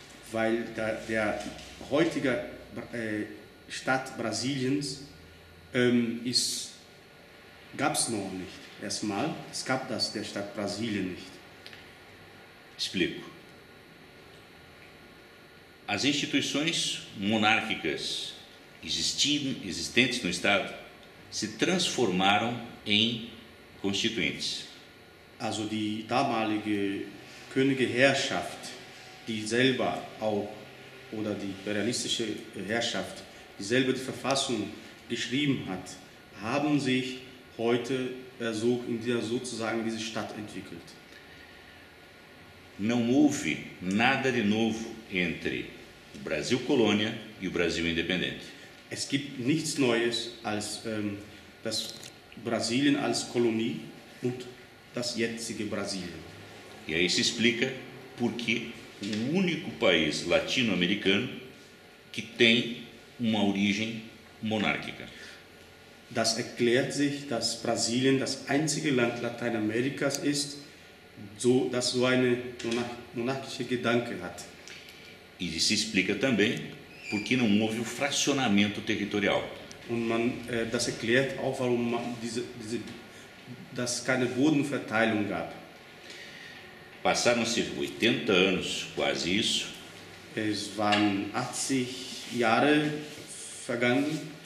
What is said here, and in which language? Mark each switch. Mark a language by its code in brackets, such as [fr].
[de] Weil der heutige Staat Brasiliens gab's noch nicht. Erstmal, es gab das der Staat Brasilien nicht. [pt] Explico. As instituições monárquicas existentes no Estado se transformaram em constituintes. [de] Also die damalige Könige Herrschaft, die selber auch, oder die imperialistische Herrschaft, die selber die Verfassung geschrieben hat, haben sich heute in dieser sozusagen diese Stadt entwickelt. [pt] Não houve nada de novo entre o Brasil colônia e o Brasil independente. [de] Es gibt nichts Neues als das Brasilien als Kolonie und das jetzige Brasilien. [pt] E aí se explica por que o único país latino-americano que tem uma origem monárquica. [de] Das erklärt sich, dass Brasilien das einzige Land Lateinamerikas ist, das so eine monarchische Gedanke hat. [pt] E se explica também por que não houve o fracionamento territorial. [de] Und man das erklärt auch, warum man dass keine Bodenverteilung gab. [pt] Passaram-se 80 anos, quase isso. [de] Es waren 80 Jahre vergangen.